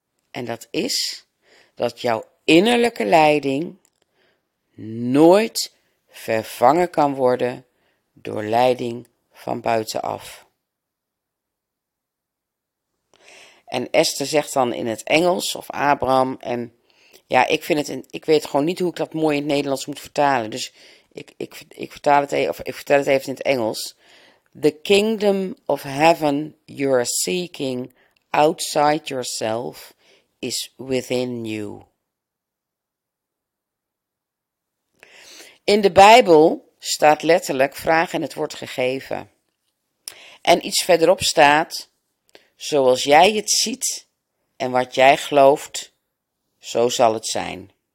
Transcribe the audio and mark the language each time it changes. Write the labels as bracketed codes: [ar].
[nl] En dat is dat jouw innerlijke leiding nooit vervangen kan worden door leiding van buitenaf. En Esther zegt dan in het Engels, of Abraham. En ja, ik vind het, ik weet gewoon niet hoe ik dat mooi in het Nederlands moet vertalen. Dus ik vertel het even in het Engels. [en] The kingdom of heaven you are seeking outside yourself is within you. [nl] In de Bijbel staat letterlijk vraag en het wordt gegeven. En iets verderop staat, zoals jij het ziet en wat jij gelooft, zo zal het zijn.